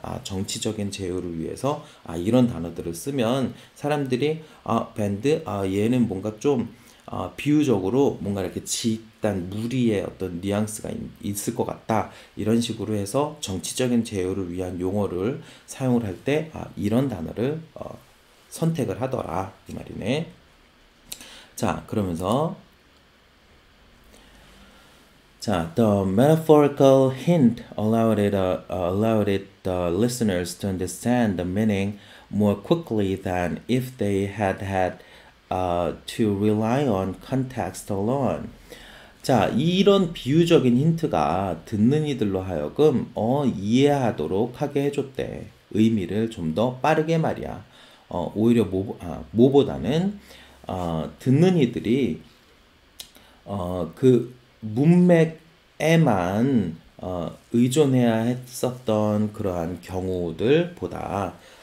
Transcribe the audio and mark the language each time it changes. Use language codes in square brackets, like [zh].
[ko] 아, 정치적인 제휴를 위해서 이런 단어들을 쓰면 사람들이 밴드 얘는 뭔가 좀 비유적으로 뭔가 이렇게 집단 무리의 어떤 뉘앙스가 있을 것 같다. 이런 식으로 해서 정치적인 제휴를 위한 용어를 사용을 할 때, 이런 단어를 선택을 하더라 이 말이네. 자, 그러면서 자, [en] the metaphorical hint allowed it the listeners to understand the meaning more quickly than if they had to rely on context alone. [ko] 자, 이런 비유적인 힌트가 듣는 이들로 하여금 이해하도록 하게 해줬대. 의미를 좀더 빠르게 말이야. 오히려 뭐보다는 듣는 이들이 그 문맥에만 의존해야 했었던 그러한 경우들 보다